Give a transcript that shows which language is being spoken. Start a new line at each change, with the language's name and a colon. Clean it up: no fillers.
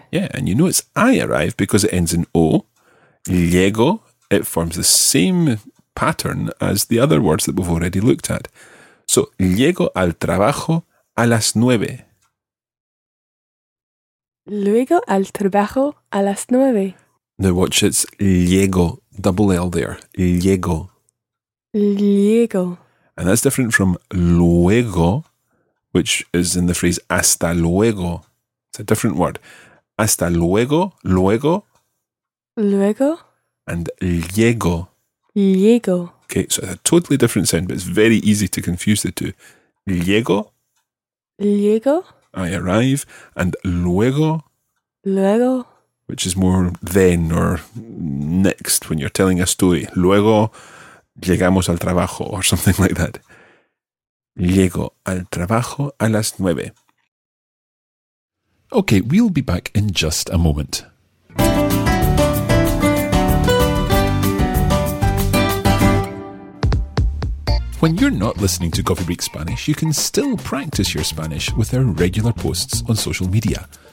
English: Yeah, and you know it's I arrive because it ends in O. Llego, it forms the same pattern as the other words that we've already looked at.
Spanish: So, llego al trabajo a las nueve. Luego al trabajo a las nueve.
English: Now watch, it's llego, double L there, llego.
Spanish: Llego.
English: And that's different from luego, which is in the phrase
Spanish: hasta luego.
English: It's a different word.
Spanish: Hasta luego, luego. Luego.
English: And llego.
Spanish: Llego.
English: Okay, so it's a totally different sound, but it's very easy to confuse the two.
Spanish: Llego. Llego.
English: I arrive, and luego,
Spanish: luego,
English: which is more then or next when you're telling a story.
Spanish: Luego llegamos al trabajo
English: or something like that.
Spanish: Llego al trabajo a las nueve.
English: Okay, we'll be back in just a moment. When you're not listening to Coffee Break Spanish, you can still practice your Spanish with our regular posts on social media.